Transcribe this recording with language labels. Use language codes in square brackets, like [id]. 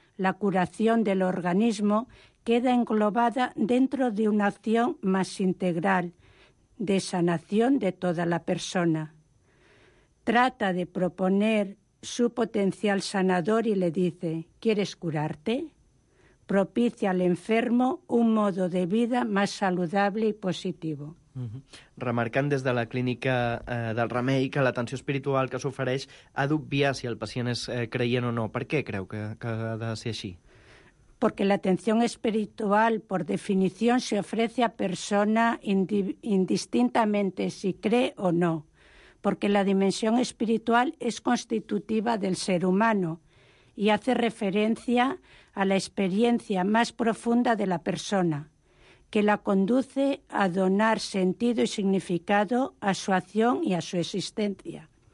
[es] La curación del organismo queda englobada dentro de una acción más integral de sanación de toda la persona. Trata de proponer su potencial sanador y le dice: ¿quieres curarte? Propicia al enfermo un modo de vida más saludable y positivo. [ca] Remarcant des de la clínica del Remei que l'atenció espiritual que s'ofereix ha d'obviar si el pacient és creient o no. Per què creu que ha de ser així? [es] Porque la atención espiritual, por definición, se ofrece a persona indistintamente si cree o no. Porque la dimensión espiritual es constitutiva del ser humano y hace referencia a la experiencia más profunda de la persona, que la conduce a donar sentido y significado a su acción y a su existencia.